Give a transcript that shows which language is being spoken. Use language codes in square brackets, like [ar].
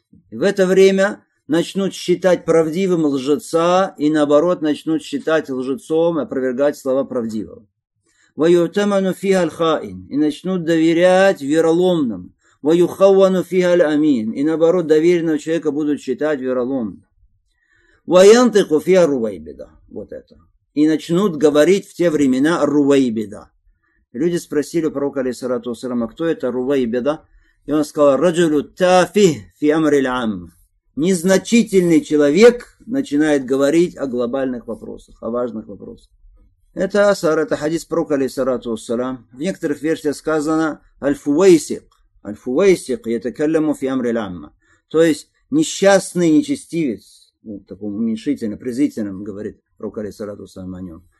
[ru] В это время начнут считать правдивым лжеца, и наоборот начнут считать лжецом, опровергать слова правдивого. [ar] وَيُعْتَمَنُ فِيهَا الْخَائِنُ [ru] и начнут доверять вероломным. [ar] وَيُخَوَّنُ فِيهَا الْأَمِينُ [ru] и наоборот, доверенного человека будут считать вероломным. [ar] وَيَنْتِقُ فِيهَا الرُّوَيْبِدَ [ru] вот это. И начнут говорить в те времена Руваибида. Люди спросили у пророка алейхиссалату вассалям, а кто это Руваибида? И он сказал, [ar] رَجُلُ تَافِهْ فِي أَمْرِ الْعَامِ. [ru] Незначительный человек начинает говорить о глобальных вопросах, о важных вопросах. Это асар, это хадис пророка алейхиссалату вассалям. В некоторых версиях сказано «Аль-фуэйсик», «Аль-фуэйсик», [ar] «Ятакалляму фи амри ламма». [ru] То есть несчастный нечестивец, ну, таком уменьшительно, презрительном говорит пророк алейхиссалату вассалям о нем.